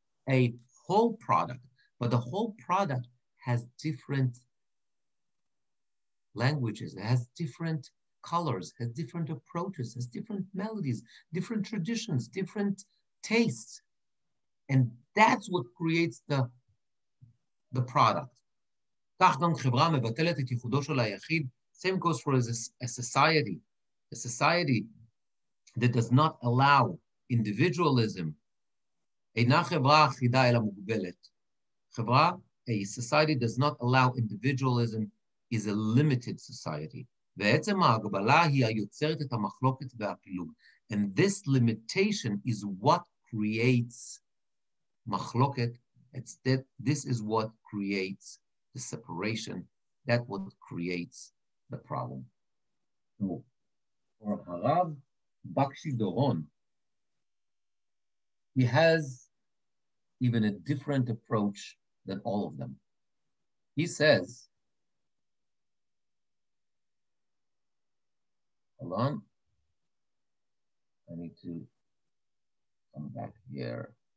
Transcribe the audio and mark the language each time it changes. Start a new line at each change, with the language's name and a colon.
English: a whole product, but the whole product has different languages, it has different colors, has different approaches, has different melodies, different traditions, different tastes. And that's what creates the product.
Hebrew: כך גם חברה מבטלת את ייחודו של היחיד.
English: Same goes for a society that does not allow individualism.
Hebrew: אינה חברה אחידה אלא מוגבלת. חברה,
English: a society does not allow individualism, is a limited society.
Hebrew: בעצם ההגבלה היא היוצרת את המחלוקת והפילוג.
English: And this limitation is what creates
Hebrew: מחלוקת.
English: It's that this is what creates the separation. That what creates the problem. For הרב בקשי דורון, he has even a different approach than all of them. He says, hold on, I need to come back here.